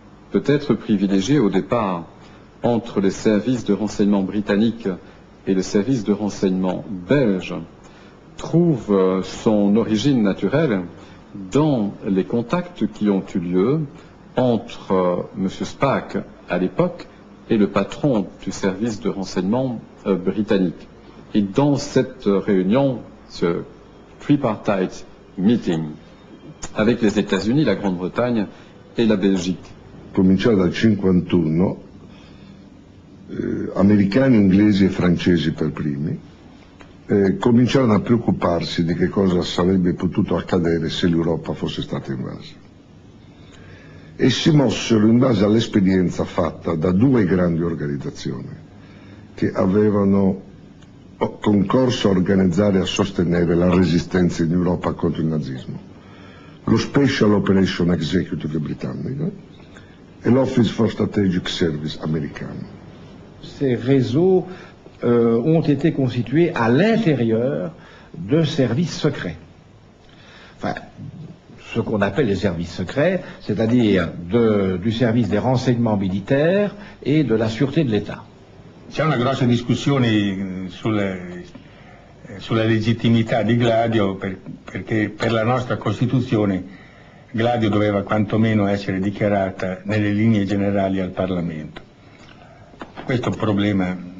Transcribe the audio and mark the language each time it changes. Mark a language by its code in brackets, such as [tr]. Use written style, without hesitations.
[fr] peut-être privilégiée au départ entre les services de renseignement britanniques et le service de renseignement belge, trouve son origine naturelle dans les contacts qui ont eu lieu entre M. Spaak à l'époque et le patron du service de renseignement britannique. Et dans cette réunion, ce [en] tripartite meeting [fr] avec les États-Unis, la Grande-Bretagne et la Belgique. [it] Cominciò dal 51, americani, inglesi e francesi per primi, cominciarono a preoccuparsi di che cosa sarebbe potuto accadere se l'Europa fosse stata invasa. E si mossero in base all'esperienza fatta da due grandi organizzazioni che avevano concorso a organizzare e a sostenere la resistenza in Europa contro il nazismo: lo Special Operation Executive britannico e l'Office for Strategic Service americano. [fr] Ces réseaux ont été constitués à l'intérieur de services secrets. Enfin, ce qu'on appelle les services secrets, c'est-à-dire du service des renseignements militaires et de la sûreté de l'État. [it] C'è una grossa discussione sulla legittimità di Gladio, perché per la nostra Costituzione Gladio doveva quantomeno essere dichiarata nelle linee generali al Parlamento. Questo problema.